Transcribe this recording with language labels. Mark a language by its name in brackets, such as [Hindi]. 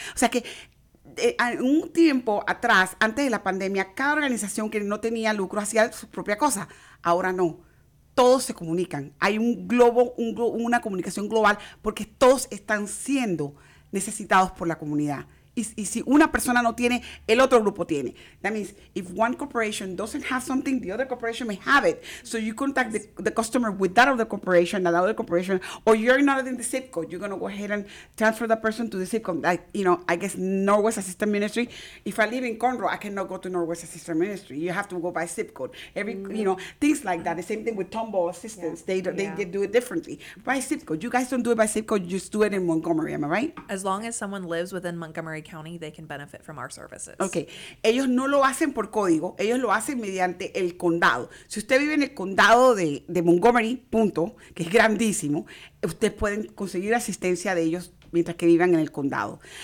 [Spanish] O sea que un tiempo atrás, antes de la pandemia, cada organización que no tenía lucro hacía su propia cosa. Ahora no. Todos se comunican. Hay una comunicación global porque todos están siendo necesitados por la comunidad. Y si una persona no tiene, el otro grupo tiene. [English] That means if one corporation doesn't have something, the other corporation may have it. So you contact the customer with that other corporation, that other corporation, or you're not in the zip code, you're going to go ahead and transfer that person to the zip code. Like, you know, I guess Northwest Assistant Ministry, if I live in Conroe, I cannot go to Northwest Assistant Ministry. You have to go by zip code. You know, things like that. The same thing with Tumble Assistance. Yeah. They do it differently. By zip code. You guys don't do it by zip code. You just do it in Montgomery, am I right? As long as someone lives within Montgomery County, they can benefit from our services. Okay. [Spanish] Ellos no lo hacen por código, ellos lo hacen mediante el condado. Si usted vive en el condado de Montgomery, punto, que es grandísimo, ustedes pueden conseguir asistencia de ellos mientras que vivan en el condado.